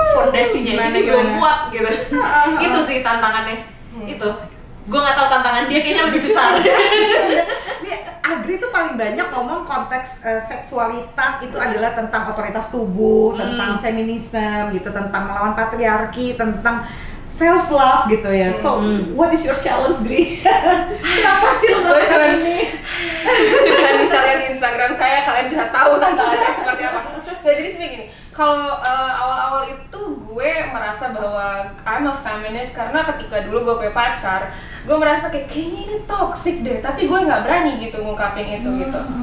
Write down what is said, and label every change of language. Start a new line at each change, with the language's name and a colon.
Indonesian: fondasinya ini belum kuat gitu. Itu sih tantangannya. Itu gue gak tahu tantangan dia kayaknya lebih besar. Agri tuh paling banyak ngomong konteks seksualitas itu adalah tentang otoritas tubuh, tentang feminisme gitu, tentang melawan patriarki, tentang self love gitu ya.
English: So what is your challenge, Gri?
Indonesian: Kenapa sih lo ngelakuin ini? Kalian bisa lihat di Instagram saya, kalian bisa tahu tanggal saya seperti apa. Nggak, jadi sebegini. Kalau awal-awal itu gue merasa bahwa
English: I'm a feminist
Indonesian: karena ketika dulu gue punya pacar, gue merasa kayaknya ini toxic deh, tapi gue nggak berani gitu ngungkapin itu gitu.